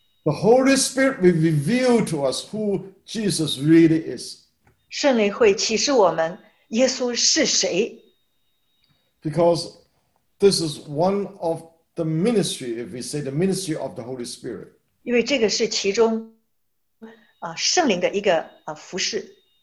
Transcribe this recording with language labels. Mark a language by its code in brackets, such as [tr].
[en] The Holy Spirit will reveal to us who Jesus really is. [zh] 圣灵会启示我们耶稣是谁。 [en] Because this is one of the ministry, if we say the ministry of the Holy Spirit. [zh] 因为这个是其中, 圣灵的一个, 服事,